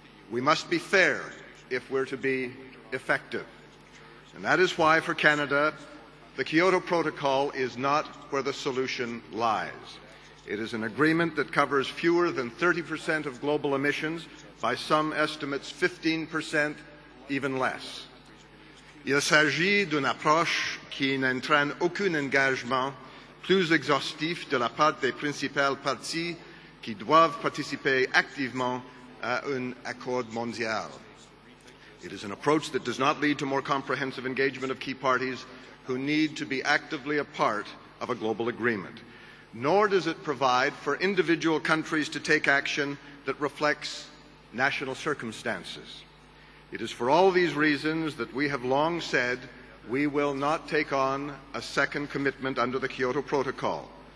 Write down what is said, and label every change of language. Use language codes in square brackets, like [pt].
[en] We must be fair if we're to be effective. And that is why, for Canada, the Kyoto Protocol is not where the solution lies. It is an agreement that covers fewer than 30% of global emissions, by some estimates 15%, even less. [fr] Il s'agit d'une approche qui n'entraîne aucun engagement plus exhaustif de la part des principales parties qui doivent participer activement à un accord mondial. [en] It is an approach that does not lead to more comprehensive engagement of key parties who need to be actively a part of a global agreement. Nor does it provide for individual countries to take action that reflects national circumstances. It is for all these reasons that we have long said we will not take on a second commitment under the Kyoto Protocol.